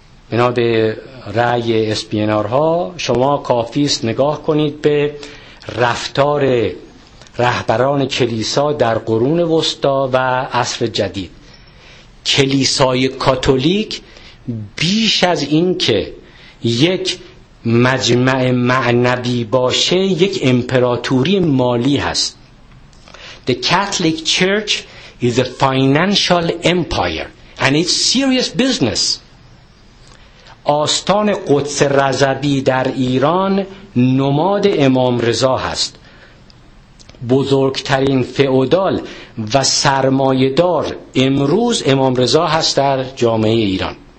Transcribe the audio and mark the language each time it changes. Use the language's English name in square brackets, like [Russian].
[Persian] بنا به رأی اسپینارها شما کافی است نگاه کنید به رفتار رهبران کلیسا در قرون وسطا و عصر جدید. کلیسای کاتولیک بیش از این که یک مجمع معنوی باشه، یک امپراتوری مالی هست. [English] The Catholic Church is a financial empire and it's serious business. [Persian] آستان قدس رضوی در ایران نماد امام رضا هست. بزرگترین فئودال و سرمایه‌دار امروز امام رضا هست در جامعه ایران.